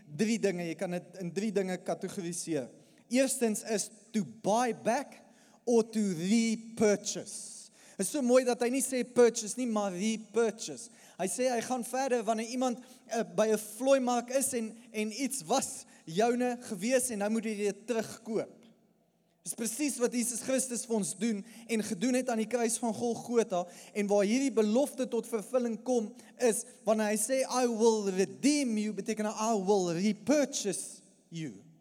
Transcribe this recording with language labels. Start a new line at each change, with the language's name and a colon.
Afrikaans: drie dinge, jy kan dit in drie dinge kategoriseer. Eerstens is
English: to buy back or to repurchase.
Afrikaans: Het is so mooi dat hy nie sê purchase nie, maar repurchase. Hy sê hy gaan verder wanneer iemand by 'n vlooimark is en iets was joune gewees en hy moet dit weer terugkoop. Dit is precies wat Jesus Christus vir ons doen en gedoen het aan die kruis van Golgotha en waar hierdie belofte tot vervulling kom is, wanneer hy sê,
English: I will redeem you,
Afrikaans: beteken
English: I will repurchase you.